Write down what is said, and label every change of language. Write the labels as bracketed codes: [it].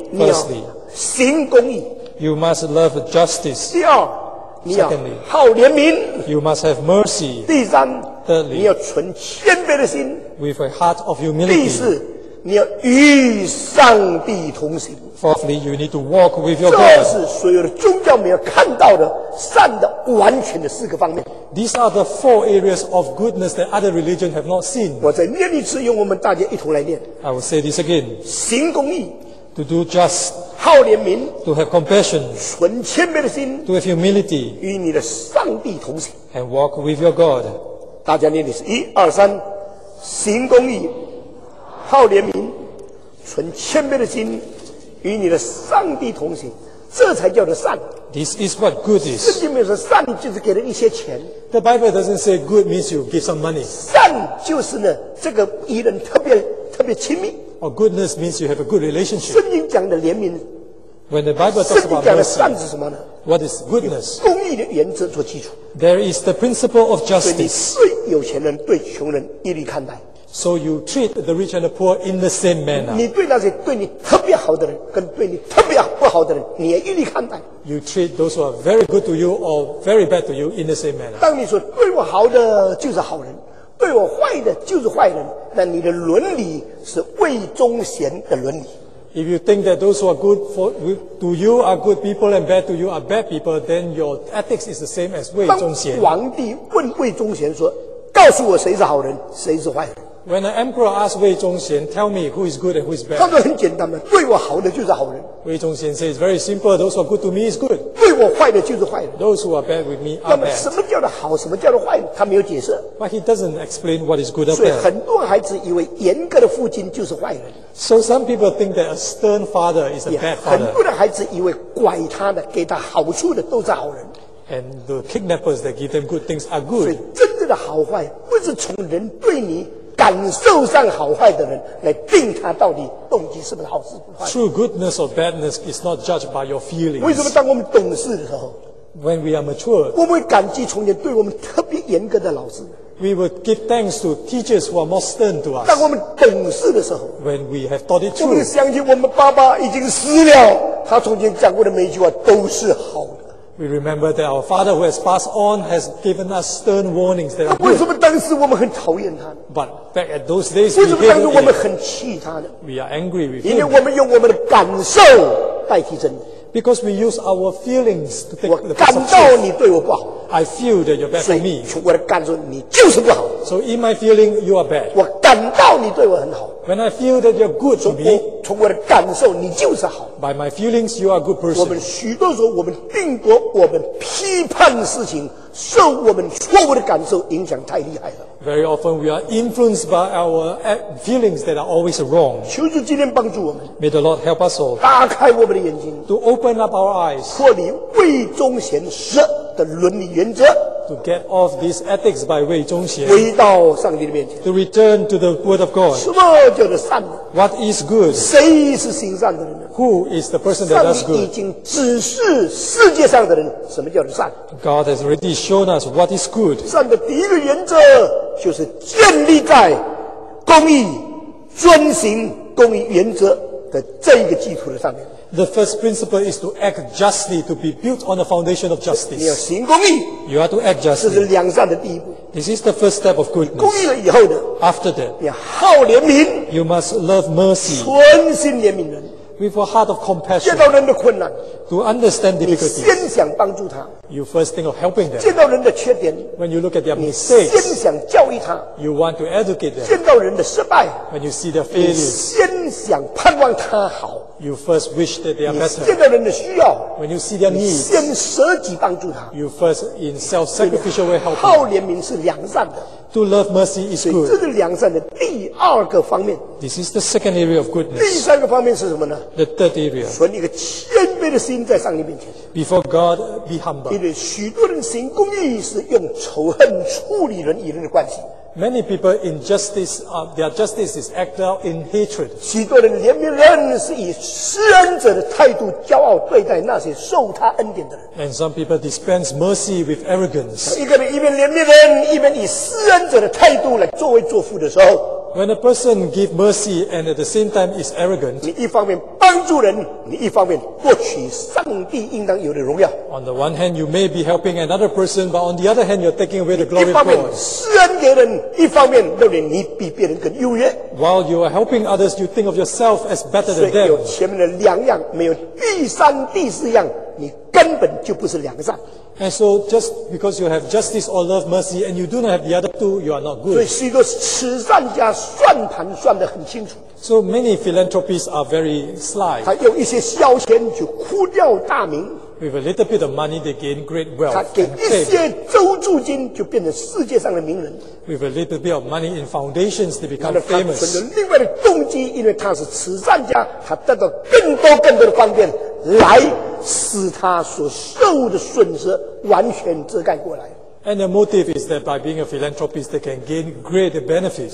[zh] 你要行公义。 [en] You must love justice. [zh] 第二，你要 [en] Secondly, [zh] 好怜悯。 [en] You must have mercy. [zh] 第三， [en] Thirdly, [zh] 你要存谦卑的心。 [en] With a heart of humility. [zh] 第四，你要与上帝同行。 [en] Fourthly, you need to walk with your God. [zh] 这是所有的宗教没有看到的善的完全的四个方面。 [en] These are the four areas of goodness that other religions have not seen. [zh] 我再念一次，用我们大家一同来念。 [en] I will say this again. [zh] 行公义。 [en] To do just. [zh] 好怜悯。 [en] To have compassion. [zh] 存谦卑的心。 [en] To have humility. [zh] 与你的上帝同行。 [en] And walk with your God. [zh] 大家念的是一二三，行公义，好怜悯，存谦卑的心。与你的上帝同行，这才叫做善。 [en] This is what good is. [zh] 圣经没有说善就是给人一些钱。 [en] The Bible doesn't say good means you give some money. [zh] 善就是呢，这个与人特别亲密。 [en] Or goodness means you have a good relationship. [zh] 圣经讲的怜悯。 [en] When the Bible talks about mercy. [zh] 圣经讲的善是什么呢？ [en] What is goodness? [zh] 有公义的原则做基础。 [en] There is the principle of justice. [zh] 所以你对有钱人对穷人一律看待。 [en] So you treat the rich and the poor in the same manner. [zh] 你对那些对你特别好的人，跟对你特别不好的人，你也一律看待。 [en] You treat those who are very good to you or very bad to you in the same manner. [zh] 当你说对我好的就是好人，对我坏的就是坏人，那你的伦理是魏忠贤的伦理。 [en] If you think that those who are good to you are good people and bad to you are bad people, then your ethics is the same as 魏忠贤。 [zh] 当皇帝问魏忠贤说：“告诉我谁是好人，谁是坏人。” [en] When the emperor asked Wei Zhongxian, tell me who is good and who is bad. [zh] 他说很简单的，对我好的就是好人。 [en] Wei Zhongxian says it's very simple. Those who are good to me is good. [zh] 对我坏的就是坏人。 [en] Those who are bad with me are bad. [zh] 那么什么叫做好，什么叫做坏，他没有解释。 [en] But he doesn't explain what is good or bad. [zh] 所以很多孩子以为严格的父亲就是坏人。 [en] So some people think that a stern father is a bad father. [zh] 很多的孩子以为拐他的，给他好处的都是好人。 [en] And the kidnappers that give them good things are good. [zh] 所以真正的好坏不是从人对你感受上好坏的人来定他到底动机是不是好是不坏。 [en] True goodness or badness is not judged by your feelings. [zh] 为什么当我们懂事的时候 [en] ，When we are mature， [zh] 我们会感激从前对我们特别严格的老师。 [en] We would give thanks to teachers who are more stern to us. [zh] 当我们懂事的时候 [en] ，When we have thought it through， [zh] 我们相信我们爸爸已经死了，他从前讲过的每一句话都是好的。 [en] We remember that our father who has passed on has given us stern warnings that are good. [zh] 为什么当时我们很讨厌他？ [en] But back at those days, [zh] 为什么当时我们很气他呢？ [en] We are angry with him. [zh] 因为我们用我们的感受代替真理。 [en] Because we use our feelings to take the perception. [zh] 我感到你对我不好。 [en] I feel that you're bad for me. [zh] 所以我的感受你就是不好。 [en] So in my feeling, you are bad. [zh] 我感到你对我很好。 [en] When I feel that you're good to me, [zh] 从我的感受，你就是好。 [en] By my feelings, you are a good person. [zh] 我们许多时候，我们定夺，我们批判事情，受我们错误的感受影响太厉害了。 [en] Very often, we are influenced by our feelings that are always wrong. [zh] 求主今天帮助我们。 [en] May the Lord help us all. [zh] 打开我们的眼睛。 [en] To open up our eyes. [zh] 脱离魏忠贤十的伦理原则。 [en] To get off this ethics by Wei Zhongxian. [zh] 回到上帝的面前。 [en] To return to the word of God. [zh] 什么叫做善呢？ [en] What is good? [zh] 谁是行善的人呢？ [en] Who is the person that does good? [zh] 上帝已经指示世界上的人什么叫做善。 [en] God has already shown us what is good. [zh] 善的第一个原则就是建立在公义、遵行公义原则的这一个基础的上面。 [en] The first principle is to act justly, to be built on the foundation of justice. [zh] 你要行公义。 [en] You are to act justly. [zh] 这是良善的第一步。 [en] This is the first step of goodness. [zh] 公义了以后呢？ [en] After that, [zh] 你要好怜悯。 [en] You must love mercy. [zh] 存心怜悯人。 [en] With a heart of compassion. [zh] 见到人的困难。 [en] To understand difficulties. [zh] 你先想帮助他。 [en] You first think of helping them. [zh] 见到人的缺点。 [en] When you look at their mistakes. [zh] 你先想教育他。 [en] You want to educate them. [zh] 见到人的失败。 [en] When you see their failures. [zh] 你先想盼望他好。 [en] You first wish that they are better. [zh] 你见到人的需要。 [en] When you see their needs. [zh] 你先舍己帮助他。 [en] You first in self-sacrificial way help them. [zh] 好怜悯是良善的。 [en] To love mercy is good. [zh] 所以这是良善的第二个方面。 [en] This is the second area of goodness. [zh] 第三个方面是什么呢？ [en] The third area. [zh] 存一个谦卑的心在上帝面前。 [en] Before God, be humble. [zh] 因为许多人行公义是用仇恨处理人与人的关系。 [en] Many people in justice, their justice is acted out in hatred. [zh] 许多人怜悯人是以施恩者的态度骄傲对待那些受他恩典的人。 [en] And some people dispense mercy with arrogance. [zh] 一个人一边怜悯人，一边以施恩者的态度来作威作福的时候。 [en] When a person give mercy and at the same time is arrogant, [zh] 你一方面帮助人，你一方面获取上帝应当有的荣耀。 [en] On the one hand, you may be helping another person, but on the other hand, you're taking away the glory of God. [zh] 一方面施恩给人，一方面认为你比别人更优越。 [en] While you are helping others, you think of yourself as better than them. [zh] 所以有前面的两样，没有第三、第四样，你根本就不是良善。 [en] And so, just because you have justice or love mercy, and you do not have the other two, you are not good. [zh] 所以许多慈善家算盘算得很清楚。 [en] So many philanthropists are very sly. [zh] 他用一些小钱就哭掉大名。 [en] With a little bit of money, they gain great wealth. [zh] 他给一些周助金就变成世界上的名人。 [en] With a little bit of money in foundations, they become famous. [zh] 他存着另外的动机，因为他是慈善家，他得到更多更多的方便来。使他所受的损失完全遮盖过来。 [en] And the motive is that by being a philanthropist, they can gain great benefits.